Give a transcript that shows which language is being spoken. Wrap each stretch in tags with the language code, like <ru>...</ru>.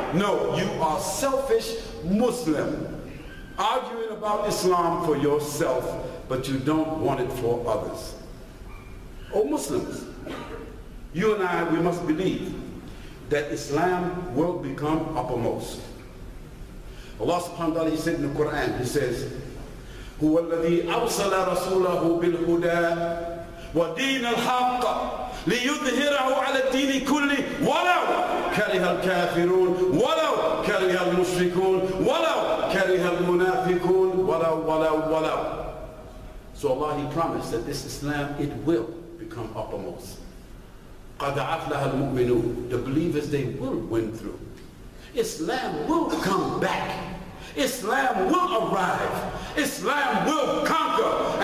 <en>No, you are selfish Muslim, arguing about Islam for yourself, but you don't want it for others. Oh, Muslims, you and I, we must believe that Islam will become uppermost. Allah subhanahu wa ta'ala, he said in the Quran, he says,</en> <ar>هُوَ الَّذِي أَرْسَلَ رَسُولَهُ بِالْهُدَى وَدِينَ الْحَقَّ لِيُظْهِرَهُ عَلَى الدِّينِ كُلِّهِ وَلَوْ كَرِهَ الْكَافِرُونَ وَلَوْ كَرِهَ الْمُشْرِكُونَ وَلَوْ كَرِهَ الْمُنَافِقُونَ وَلَوْ وَلَوْ وَلَوْ.</ar> <en>So Allah, he promised that this Islam, it will become uppermost.</en> <ar>قَدْ عَفْلَهَا الْمُؤْمِنُونَ.</ar> <en>The believers, they will win through. Islam will come back. Islam will arrive. Islam will conquer.</en>